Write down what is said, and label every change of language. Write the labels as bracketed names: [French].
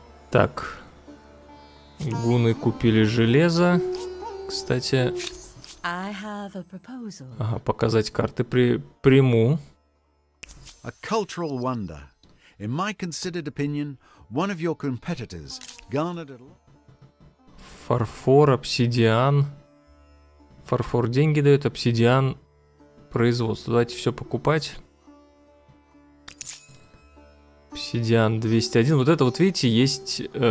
[Russian] Так, гуны купили железо, кстати. Ага, показать карты приму. [English] A cultural wonder. In my considered opinion, one of your competitors garnered a... [Russian] Фарфор, обсидиан. Фарфор деньги дает, обсидиан производство. Давайте все покупать. Обсидиан 201. Вот это вот, видите, есть...